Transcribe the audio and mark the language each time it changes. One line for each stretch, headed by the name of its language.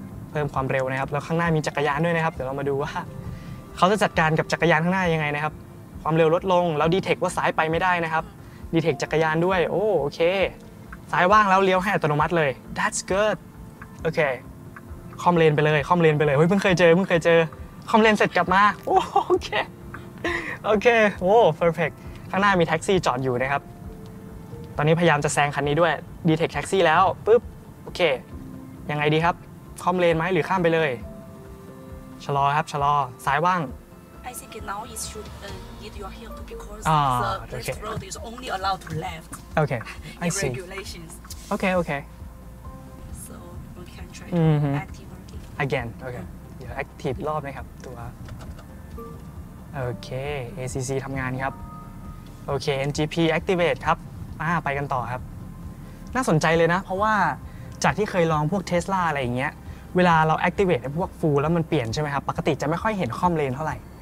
Thai: เพิ่มความเร็วนะครับแล้วข้างหน้ามีจักรยานด้วยนะครับเดี๋ยวเรามาดูว่าเขาจะจัดการกับจักรยานข้างหน้ายังไงนะครับความเร็วลดลงแล้วดีเทคว่าซ้ายไปไม่ได้นะครับดีเทคจักรยานด้วยโอเคซ้ายว่างแล้วเลี้ยวให้อัตโนมัติเลย
English: that's good
Thai: โอเคคอมเลนไปเลยคอมเลนไปเลยเฮ้ยเพิ่งเคยเจอคอมเลนเสร็จกลับมาโอเค โอเคโอ้ perfect ข้างหน้ามีแท็กซี่จอดอยู่นะครับตอนนี้พยายามจะแซงคันนี้ด้วยดีเทคแท็กซี่แล้วปึ๊บโอเคยังไงดีครับคอมเลนไหมหรือข้ามไปเลยชะลอครับชะลอซ้ายว่าง
English: I think now it should need your help because the road is only allowed to left okay I see regulations okay okay so we can try to activate again okay yeah activate
Thai: รอบนะครับตัวโอเค ACC ทำงานครับโอเค NGP activate ครับไปกันต่อครับน่าสนใจเลยนะเพราะว่าจากที่เคยลองพวก Tesla อะไรอย่างเงี้ยเวลาเรา activate ไอ้พวก full แล้วมันเปลี่ยนใช่ไหมครับปกติจะไม่ค่อยเห็นคอมเลนเท่าไหร่